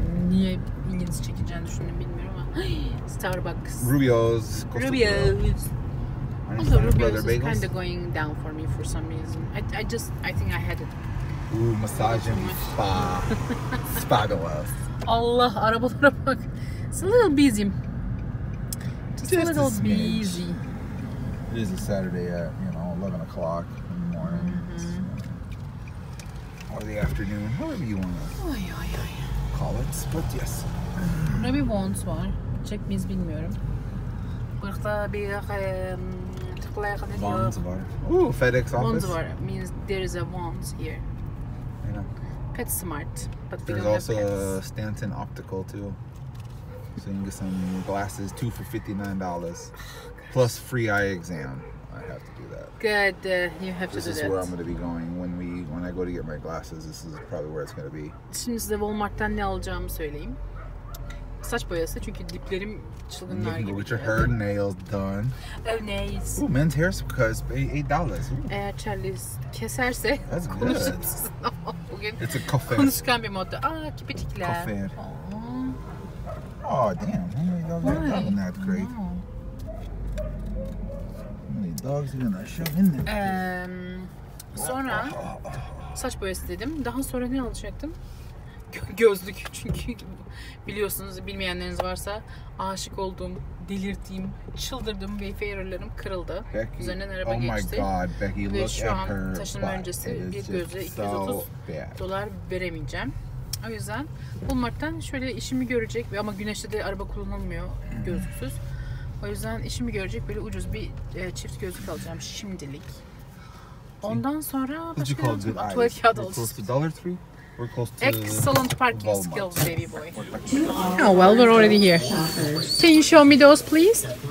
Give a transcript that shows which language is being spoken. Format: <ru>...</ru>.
<tr>Niye ilginizi çekeceğini düşündüm bilmiyorum ama.</tr> <en>Starbucks. Rubio's. Rubio's. Also Rubio's is kind of going down for me for some reason. I think I had it. Ooh, massage and spa. Spa the world.</en> <tr>Allah, arabalara bak.</tr> <en>It's a little busy. Just a little busy. It is a Saturday at, you know, 11 o'clock in the morning. Mm-hmm. Or the afternoon, however you want to call it. But yes.</en> <tr>Ne bir bonus var? Çek miyiz bilmiyorum. Burada bir tıklayak ne diyor? Bonus var. Ooh, FedEx office. Bonus var.</tr> <en>Means there is a bonus here. Yeah. Pet Smart. But there's also a Stanton Optical too. So you can get some glasses, 2 for $59, plus free eye exam. I have to do that. Good, you have this to do that. This is where I'm going to be going when I go to get my glasses. This is probably where it's going to be.</en> <tr>Şimdi size Walmart'tan ne alacağımı söyleyeyim. Saç boyası çünkü diplerim çılgınlar gibi.</tr> <en>You can go with your hair and nails done. Oh, nails. Ooh, men's hair is $8.</en> <tr>Eğer Charles keserse konuşuruz. Bugün</tr> <en>it's a coffee.</en> <tr>Konuşkan bir modda. Aa, kipitikler.</tr> <en>Coffee. Oh damn, how many dogs are in that crate? How many dogs are gonna shove in there?</en> <tr>Sonra saç boyası dedim. Daha sonra ne alacaktım? Gözlük çünkü biliyorsunuz bilmeyenleriniz varsa aşık olduğum, delirttiğim, çıldırdığım Wayfarer'larım kırıldı. Becky, üzerinden araba geçti.</tr> <en>Oh my god, Becky,</en> <tr>ve şu an taşınma öncesi bir gözle $230 veremeyeceğim. O yüzden Walmart'tan şöyle işimi görecek ve ama güneşte de araba kullanılmıyor gözlüksüz. O yüzden işimi görecek böyle ucuz bir çift gözlük alacağım şimdilik. Ondan sonra başka bir tuvalet kağıdı alacağım.</tr> <en>Excellent parking skills, baby boy. Oh well, we're already here. Can you show me those please?</en>